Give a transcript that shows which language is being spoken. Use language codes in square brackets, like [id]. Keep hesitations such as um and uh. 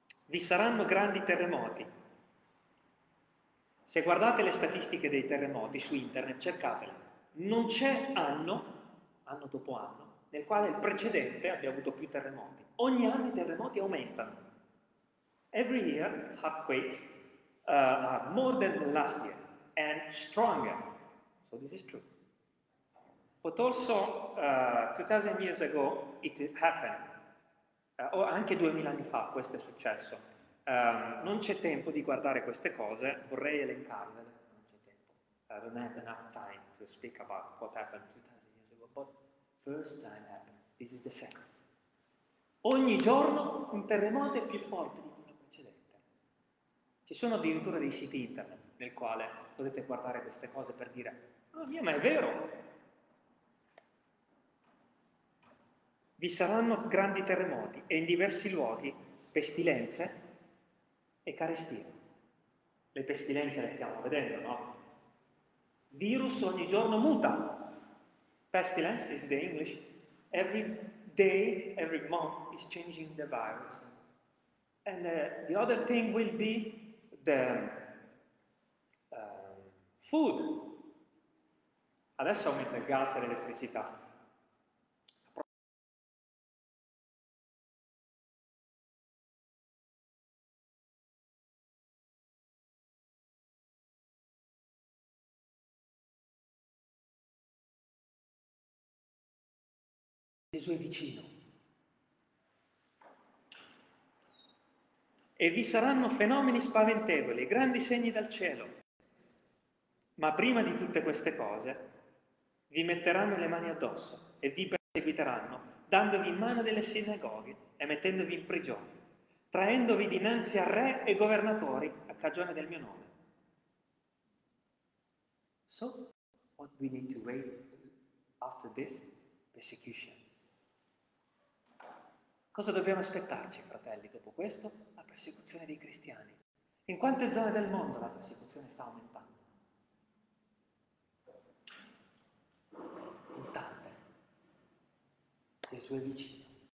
[it] Vi saranno grandi terremoti, se guardate le statistiche dei terremoti su internet, cercatele. Non c'è anno, anno dopo anno, nel quale il precedente abbia avuto più terremoti. Ogni anno i terremoti aumentano. [en] Every year, earthquakes uh, are more than the last year and stronger. So this is true. But also, uh, 2000 years ago, it happened. [it] Eh, o anche 2000 anni fa questo è successo. Ehm, non c'è tempo di guardare queste cose, vorrei elencarvele, non c'è tempo. [en] I don't have enough time to speak about what happened 2000 years ago, but first time happened, this is the second. [it] Ogni giorno un terremoto è più forte di quello precedente. Ci sono addirittura dei siti internet nel quale potete guardare queste cose per dire, oh mia, ma è vero, vi saranno grandi terremoti e in diversi luoghi pestilenze e carestie. Le pestilenze le stiamo vedendo, no? Virus ogni giorno muta. [en] Pestilence is the English. Every day, every month is changing the virus. And uh, the other thing will be the um, food. [it] Adesso aumenta il gas e l'elettricità. Gesù è vicino. E vi saranno fenomeni spaventevoli, grandi segni dal cielo. Ma prima di tutte queste cose vi metteranno le mani addosso e vi perseguiteranno, dandovi in mano delle sinagoghe e mettendovi in prigione, traendovi dinanzi a re e governatori a cagione del mio nome. [en] So, what we need to wait after this persecution? [it] Cosa dobbiamo aspettarci, fratelli, dopo questo? La persecuzione dei cristiani. In quante zone del mondo la persecuzione sta aumentando? In tante. Gesù è vicino.